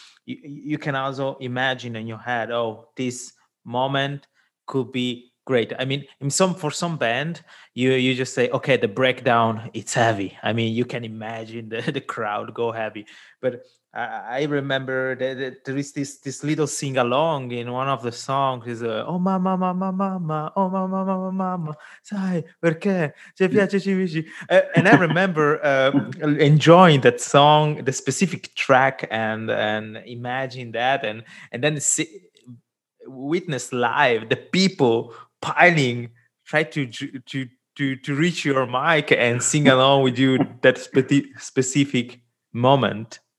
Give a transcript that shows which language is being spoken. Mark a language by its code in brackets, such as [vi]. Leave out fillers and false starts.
[en] You can also imagine in your head, oh, this moment could be great. I mean, for some band, you just say, okay, the breakdown, it's heavy. I mean, you can imagine the crowd go heavy. But I remember that there is this little sing along in one of the songs. Is [it] oh mamma mamma mamma, oh mamma mamma mamma, sai perché ci piace ci piace. [en] And I remember enjoying that song, the specific track, and imagine that, and then witness live the people piling, try to reach your mic and sing along with you that specific moment.